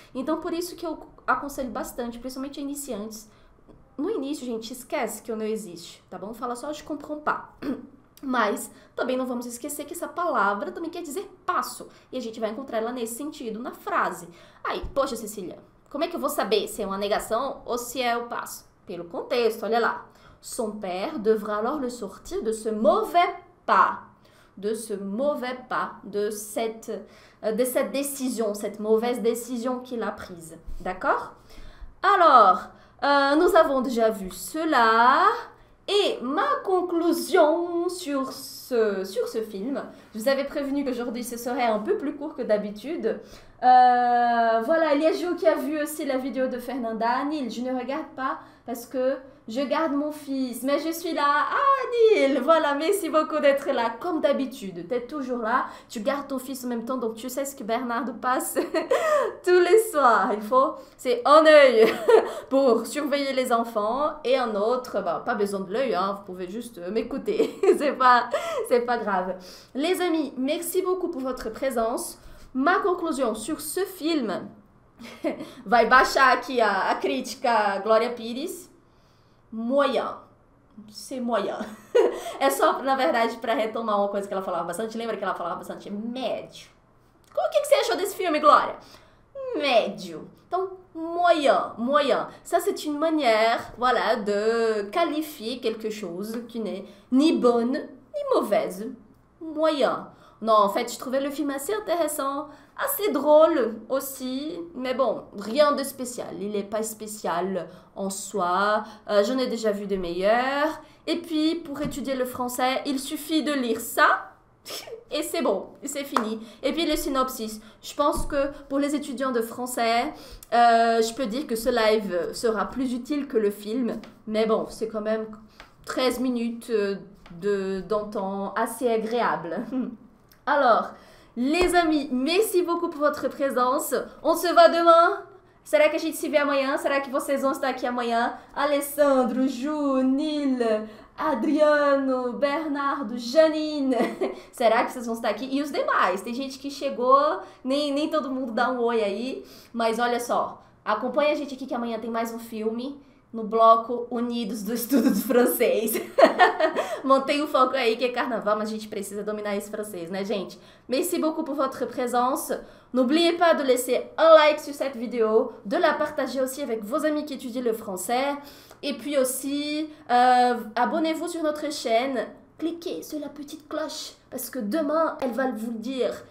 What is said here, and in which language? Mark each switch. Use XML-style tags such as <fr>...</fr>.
<pt>Então, por isso que eu aconselho bastante, principalmente iniciantes, no início, gente, esquece que o não existe, tá bom? Fala só de comprompar. Mas também não vamos esquecer que essa palavra também quer dizer passo. E a gente vai encontrar ela nesse sentido, na frase. Aí, poxa, Cecília, como é que eu vou saber se é uma negação ou se é o passo? Pelo contexto, olha lá.</pt> <fr>Son père devra alors le sortir de ce mauvais pas. De ce mauvais pas, de cette décision, cette mauvaise décision qu'il a prise. D'accord? Alors... nous avons déjà vu cela, et ma conclusion sur ce film, je vous avais prévenu qu'aujourd'hui ce serait un peu plus court que d'habitude. Voilà, il y a Jo qui a vu aussi la vidéo de Fernanda. Nil, je ne regarde pas parce que je garde mon fils, mais je suis là. Ah, Nil, voilà, merci beaucoup d'être là, comme d'habitude, t'es toujours là, tu gardes ton fils en même temps, donc tu sais ce que Bernardo passe tous les soirs. Il faut, c'est un œil pour surveiller les enfants, et un autre, bah, pas besoin de l'œil, hein, vous pouvez juste m'écouter, c'est pas grave. Les amis, merci beaucoup pour votre présence.</fr> <pt>Ma conclusão sobre esse filme, vai baixar aqui a crítica Glória Pires, moyen,</pt> <fr>c'est moyen.</fr> <pt>É só, na verdade, para retomar uma coisa que ela falava bastante, lembra que ela falava bastante, médio. O que você achou desse filme, Glória? Médio. Então, moyen, moyen.</pt> <fr>Ça, c'est une manière, voilà, de qualifier quelque chose qui n'est ni bonne, ni mauvaise. Moyen. Non, en fait, je trouvais le film assez intéressant, assez drôle aussi, mais bon, rien de spécial. Il n'est pas spécial en soi, j'en ai déjà vu de meilleurs. Et puis, pour étudier le français, il suffit de lire ça, et c'est bon, c'est fini. Et puis, le synopsis. Je pense que pour les étudiants de français, je peux dire que ce live sera plus utile que le film, mais bon, c'est quand même 13 minutes d'entente assez agréable. Alors, les amis, merci beaucoup pour votre présence. On se voit demain.</fr> <pt>Será que a gente se vê amanhã? Será que vocês vão estar aqui amanhã? Alessandro, Ju, Nil, Adriano, Bernardo, Janine, será que vocês vão estar aqui? E os demais, tem gente que chegou, nem todo mundo dá um oi aí, mas olha só, acompanha a gente aqui que amanhã tem mais um filme no bloco Unidos do Estudo de Francês. Mantém o foco aí que é carnaval, mas a gente precisa dominar esse francês, né, gente?</pt> <fr>Merci beaucoup pour votre présence. N'oubliez pas de laisser un like sur cette vidéo, de la partager aussi avec vos amis qui étudient le français. Et puis aussi, abonnez-vous sur notre chaîne. Cliquez sur la petite cloche parce que demain, elle va vous le dire.</fr>